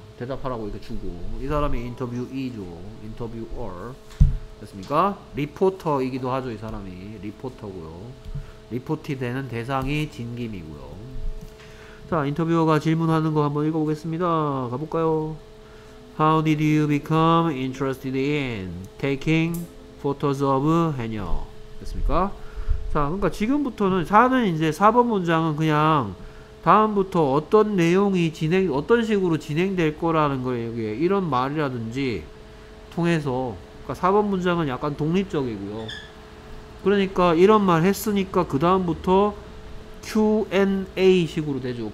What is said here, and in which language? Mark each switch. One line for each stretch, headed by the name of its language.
Korean: 대답하라고 이렇게 주고 이 사람이 인터뷰이죠. 인터뷰어 됐습니까? 리포터이기도 하죠. 이 사람이 리포터고요. 리포트 되는 대상이 진김이고요. 자 인터뷰어가 질문하는 거 한번 읽어보겠습니다. 가볼까요?
English: How did you become interested in taking photos of 해녀
Korean: 됐습니까? 자 그러니까 지금부터는 4는 이제 4번 문장은 그냥 다음부터 어떤 내용이 진행 어떤 식으로 진행될 거라는 걸 여기에 이런 말이라든지 통해서 그러니까 4번 문장은 약간 독립적이고요. 그러니까 이런 말 했으니까 그 다음부터 Q&A 식으로 되죠.